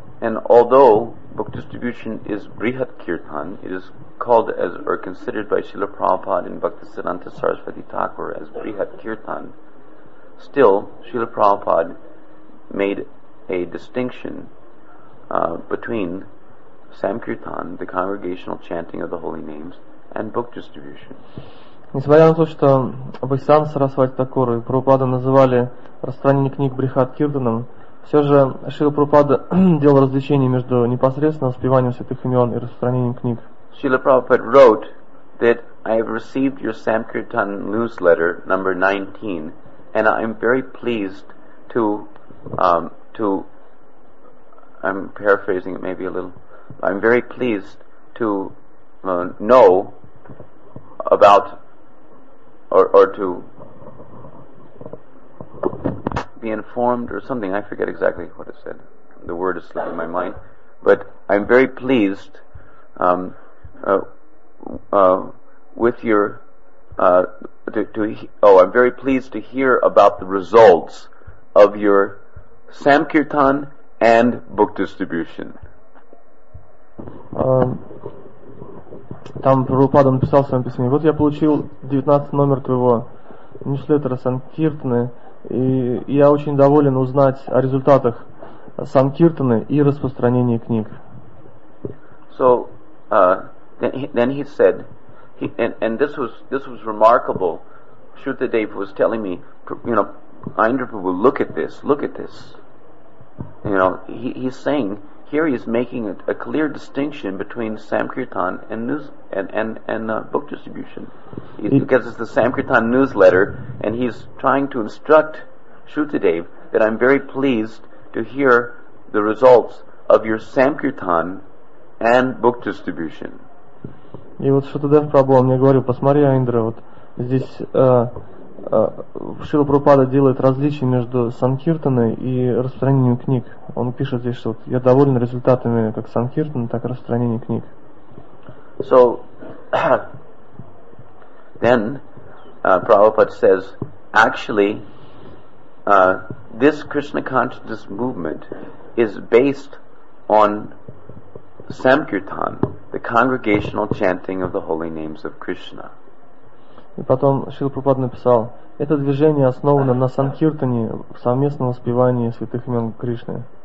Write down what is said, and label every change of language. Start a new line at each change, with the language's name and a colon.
English: And although book distribution is Brihat Kirtan, it is called as or considered by Srila Prabhupada in Bhaktisiddhanta Sarasvati Thakur as Brihat Kirtan, still Srila Prabhupada made a distinction between Samkirtan, the congregational chanting of the holy names, and book distribution.
Russian: Несмотря на то, что Бхактисиддханта Сарасвати Такур и Прабхупада называли распространение книг Брихат Киртаном, все же Шрила Прабхупада делал различение между непосредственно воспеванием святых имен и распространением книг.
English: Шрила Прабхупада wrote that I have received your Samkirtan newsletter number 19, and I'm very pleased to I'm paraphrasing it maybe a little. I'm very pleased to know about or to be informed or something. I forget exactly what it said. The word is slipping my mind. But I'm very pleased with your I'm very pleased to hear about the results of your Samkirtan and book distribution.
Russian: Там Прабхупада написал в своем письме: вот я получил 19 номер твоего ньюслеттера Санкиртаны, и я очень доволен узнать о результатах Санкиртаны и распространении книг.
English: So then he said, and this was remarkable. Shrutadeva was telling me, you know, Aindra Prabhu, look at this. You know, he's saying here he's making a clear distinction between Samkirtan and book distribution. Because it's the Samkirtan newsletter, and he's trying to instruct Shrutadev that I'm very pleased to hear the results of your Samkirtan and book distribution.
Russian: И вот Шрутадев Прабху, он мне говорил, посмотри, Индра, вот здесь Шрила Прабхупада делает различие между Санкиртаной и распространением книг. Он пишет здесь, что вот, я доволен результатами как Санкиртаны, так и распространения книг.
English: So, then, Prabhupada says, actually, this Krishna consciousness movement is based on Samkirtan, the congregational chanting of the holy names of Krishna.
Russian: И потом Шрила Прабхупада написал, это движение основано на санкиртане, совместном воспевании святых имен Кришны.